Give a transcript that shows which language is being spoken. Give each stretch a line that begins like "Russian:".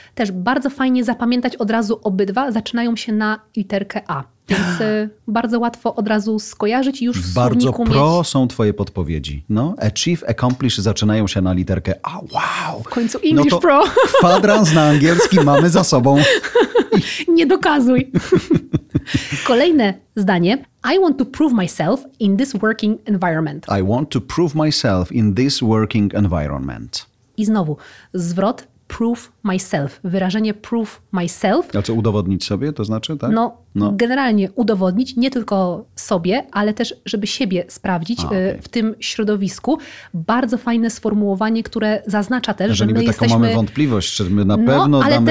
Polish: Też bardzo fajnie zapamiętać od razu obydwa. Zaczynają się na literkę A. Więc bardzo łatwo od razu skojarzyć już w słowniku bardzo mieć. Bardzo pro są twoje podpowiedzi. No, achieve, accomplish zaczynają się na literkę A. Wow. W końcu English no to pro. Kwadrans na angielski mamy za sobą. Nie dokazuj. Kolejne zdanie.
English: I want to prove myself in this working environment. I want to prove myself in this working environment.
Polish: I znowu zwrot prove myself. Wyrażenie prove myself. A co, udowodnić sobie to znaczy, tak? No, no, generalnie udowodnić, nie tylko sobie, ale też żeby siebie sprawdzić w tym środowisku. Bardzo fajne sformułowanie, które zaznacza też, że my jesteśmy... mamy wątpliwość, czy my na pewno damy radę.